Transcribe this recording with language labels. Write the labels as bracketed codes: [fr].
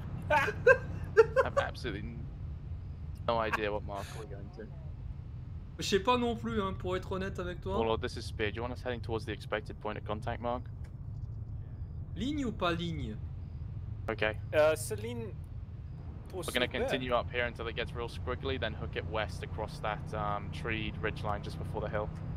[en] I have absolutely no idea what mark we're going to. [fr] Je sais pas non plus, hein, pour être honnête avec toi. [en] Well, this is Spear. Do you want us heading towards the expected point of contact mark? [fr] Ligne ou pas ligne? [en] Okay. Céline. We're gonna continue up here until it gets real squiggly, then hook it west across that treed ridge line just before the hill.